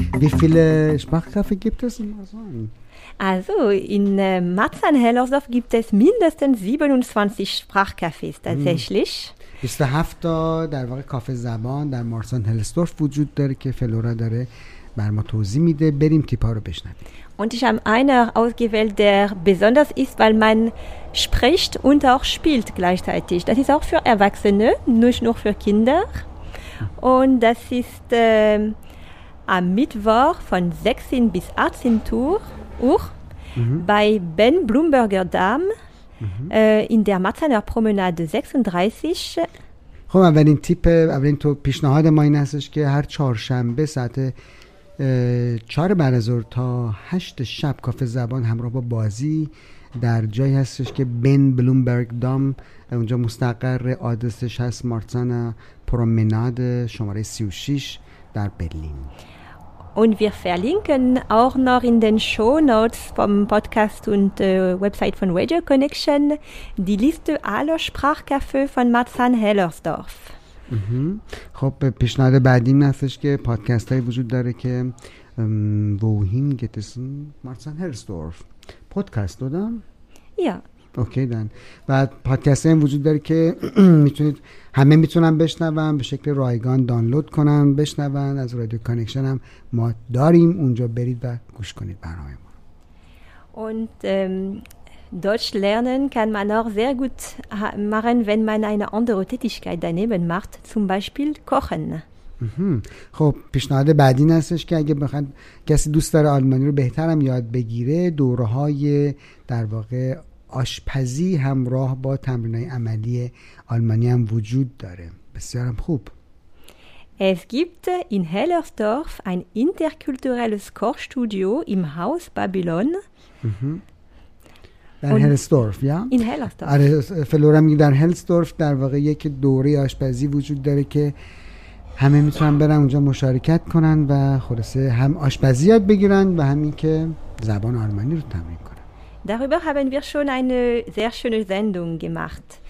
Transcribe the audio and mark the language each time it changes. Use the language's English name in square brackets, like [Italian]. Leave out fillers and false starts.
[German] Wie viele Sprachcafés gibt es in Marzahn? Also in Marzahn-Hellersdorf gibt es mindestens 27 Sprachcafés tatsächlich. [Persian] 27 تا در واقع کافه زبان در مارسان هلستورف وجود داره که فلورا داره بر ما توضیح میده. بریم تیپا رو بشنویم. [German] Und ich habe einer ausgewählt, der besonders ist, weil man spricht und auch spielt gleichzeitig. Das ist auch für Erwachsene, nicht nur für Kinder. Und das ist am Mittwoch von 16 bis 18 Uhr bei Ben Blumberger Damm. In der Marzahner Promenade 36. [Persian] خب اولین تیپ، اولین تو پیشنهاد ما این هستش که هر چهارشنبه ساعت 4 بعد از ظهر تا 8 شب کافه زبان همراه با بازی در جایی هستش که بن بلومبرگ دام اونجا مستقر، آدرسش هست مارتسان پرومناد شماره 36 در برلین. [German] Und wir verlinken auch noch in den Shownotes vom Podcast und Website von Radio Connection die Liste aller Sprachcafés von Marzahn-Hellersdorf. [Persian] خب پیشنهاد بعدی هستش که پادکست های وجود داره که [German] Wohin geht es in Marzahn-Hellersdorf [Persian] پادکست دادم؟ یا اوکی دن. و پادکست هم وجود داره که میتونید همه میتونن بشنون، به شکل رایگان دانلود کنن بشنون. از رادیو کانکشن هم ما داریم، اونجا برید و گوش کنید برنامه ما. [German] Und Deutsch lernen kann man auch sehr gut machen, wenn man eine andere Tätigkeit daneben macht, zum Beispiel kochen. [Persian] خب پیشنهاد بعدی هستش که اگه بخواد کسی دوست داره آلمانی رو بهتر هم یاد بگیره، دوره‌های در واقع آشپزی همراه با تمرین‌های عملی آلمانی هم وجود داره. بسیار خوب. [German] Es gibt in Hellersdorf ein interkulturelles Kochstudio im Haus Babylon. [Persian] در هلستورف، یا؟ [German] In Hellersdorf. [Persian] آره، فلورا میگه در هلستورف در واقع یک دوره آشپزی وجود داره که همه میتونن برن اونجا مشارکت کنن و خلاصه هم آشپزی یاد بگیرن و همین که زبان آلمانی رو تمرین کنن. [German] Darüber haben wir schon eine sehr schöne Sendung gemacht.